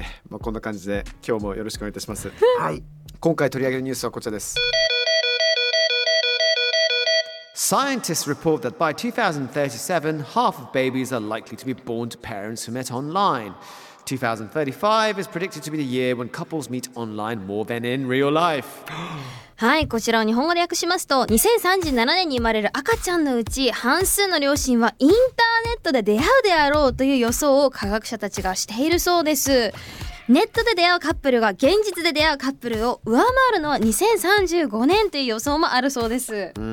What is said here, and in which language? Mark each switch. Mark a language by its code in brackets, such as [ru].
[ja] まあこんな感じで今日もよろしくお願いいたします。はい。今回取り上げるニュースはこちらです。 [en] Scientists report that by 2037, half of babies are likely to be born to parents who met online. 2035 is predicted to be the year when couples meet online more than in real life. [ja] はい、こちらを日本語で訳しますと、2037年に生まれる赤ちゃんのうち半数の両親はインターネットで出会うであろうという予想を科学者たちがしているそうです。ネットで出会うカップルが現実で出会うカップルを上回るのは2035年という予想もあるそうです。